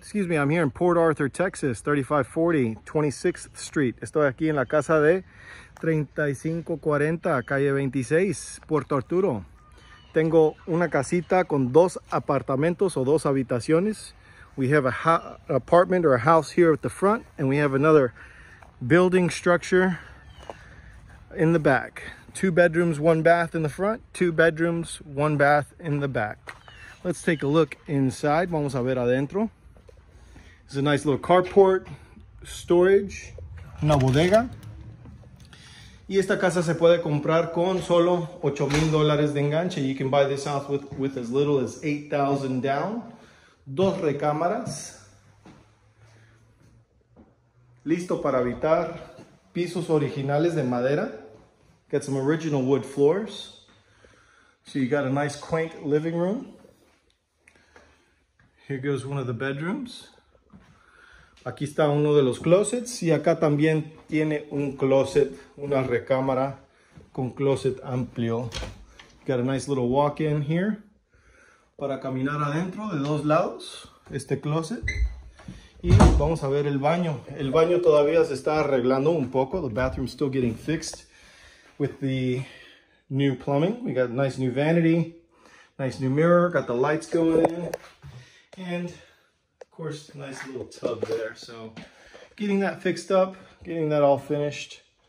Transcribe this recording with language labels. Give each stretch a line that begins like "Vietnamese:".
English: Excuse me, I'm here in Port Arthur, Texas, 3540 26th Street.
Spanish: Estoy aquí en la casa de 3540, calle 26, Puerto Arturo. Tengo una casita con dos apartamentos o dos habitaciones.
English: We have an apartment or a house here at the front, and we have another building structure in the back. Two bedrooms, one bath in the front. Two bedrooms, one bath in the back. Let's take a look inside.
Spanish: Vamos a ver adentro.
English: It's a nice little carport, storage,
Spanish: una bodega. Y esta casa se puede comprar con solo $8,000 de enganche.
English: You can buy this house with as little as $8,000 down.
Spanish: Dos recámaras. Listo para habitar. Pisos originales de madera.
English: Got some original wood floors. So you got a nice quaint living room. Here goes one of the bedrooms.
Spanish: Aquí está uno de los closets. Y acá también tiene un closet, una recámara con closet amplio.
English: Got a nice little walk-in here.
Spanish: Para caminar adentro de dos lados, este closet. Y vamos a ver el baño. El baño todavía se está arreglando un poco.
English: The bathroom's still getting fixed with the new plumbing. We got a nice new vanity, nice new mirror. Got the lights going in. And of course, nice little tub there. So getting that fixed up, getting that all finished.